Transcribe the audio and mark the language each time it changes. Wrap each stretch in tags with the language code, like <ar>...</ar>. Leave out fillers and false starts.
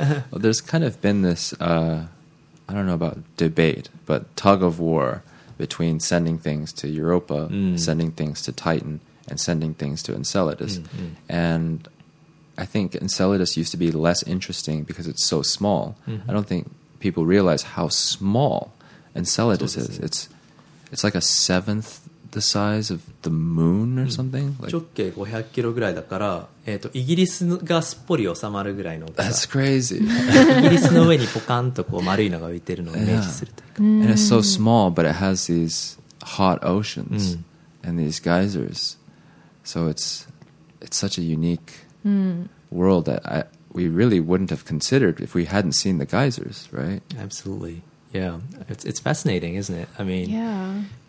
<en>Well, there's kind of been this, I don't know about debate, but tug of war between sending things to Europa, sending things to Titan, and sending things to Enceladus. And I think Enceladus used to be less interesting because it's so small. I don't think people realize how small Enceladus is. It's like a seventh the size of the moon or something.</en> <ja>Like, 直径500キロぐらいだから、イギリスがすっぽり収まるぐらいの。</ja> <en>That's crazy.</en> <ja>イギリスの上にポカンとこう丸いのが浮いてるのをイメージするというか。</ja> <en>And it's so small, but it has these hot oceans and these geysers. So it's such a unique world that we really wouldn't have considered if we hadn't seen the geysers, right? Absolutely. Yeah, it's fascinating, isn't it? I mean,</en>